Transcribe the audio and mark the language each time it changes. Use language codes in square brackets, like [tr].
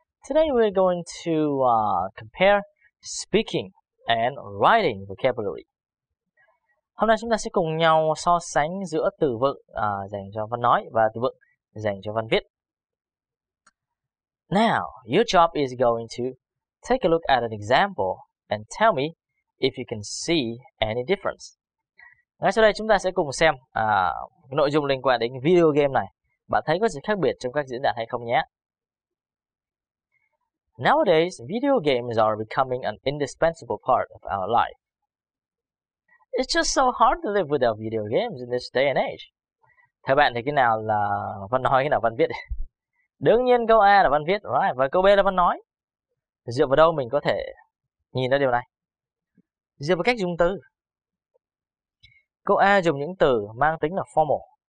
[en] Today we're going to compare speaking and writing vocabulary. [vi] Hôm nay chúng ta sẽ cùng nhau so sánh giữa từ vựng dành cho văn nói và từ vựng dành cho văn viết. [en] Now, your job is going to take a look at an example and tell me if you can see any difference. [vi] Ngay sau đây chúng ta sẽ cùng xem nội dung liên quan đến video game này. Bạn thấy có sự khác biệt trong các diễn đạt hay không nhé? [en] Nowadays, video games are becoming an indispensable part of our life. It's just so hard to live without video games in this day and age. [vi] Theo bạn thì cái nào là văn nói, cái nào văn viết? Đương nhiên câu A là văn viết, right? Và câu B là văn nói. Dựa vào đâu mình có thể nhìn ra điều này? Dựa vào cách dùng từ. Câu A dùng những từ mang tính là formal.